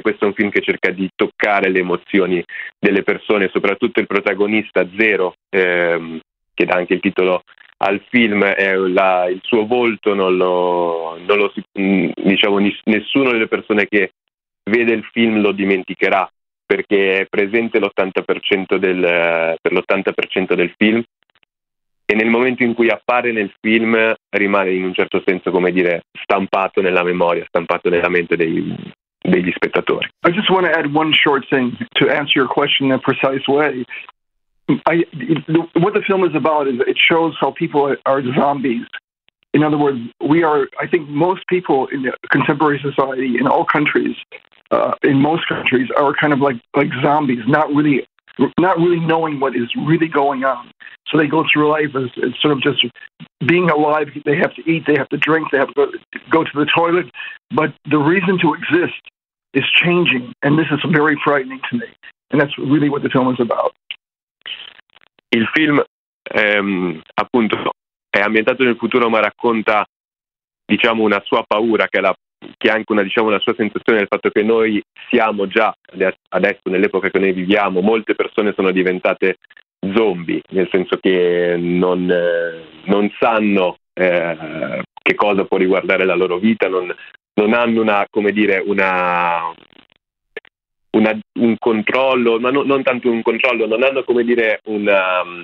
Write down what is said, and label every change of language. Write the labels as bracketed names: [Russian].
[Italian] Questo è un film che cerca di toccare le emozioni delle persone, soprattutto il protagonista Zero, che dà anche il titolo al film, il suo volto nessuno delle persone che vede il film lo dimenticherà, perché è presente per l'80% del film, e nel momento in cui appare nel film rimane in un certo senso, come dire, stampato nella memoria, stampato nella mente degli spettatori. [English] I just want to add one short thing to answer your question in a precise way. What the film is about is it shows how people are zombies. In other words, we are, I think most people in the contemporary society in all countries, in most countries, are kind of like zombies, not really knowing what is really going on. So they go through life as sort of just being alive. They have to eat, they have to drink, they have to go to the toilet. But the reason to exist is changing, and this is very frightening to me. And that's really what the film is about. [Italian] Il film, appunto, è ambientato nel futuro, ma racconta, diciamo, una sua paura, che è la che anche una, diciamo, la sua sensazione del fatto che noi siamo già adesso nell'epoca che noi viviamo, molte persone sono diventate zombie, nel senso che non sanno che cosa può riguardare la loro vita, non hanno una, come dire, un controllo, ma non tanto un controllo, non hanno, come dire, una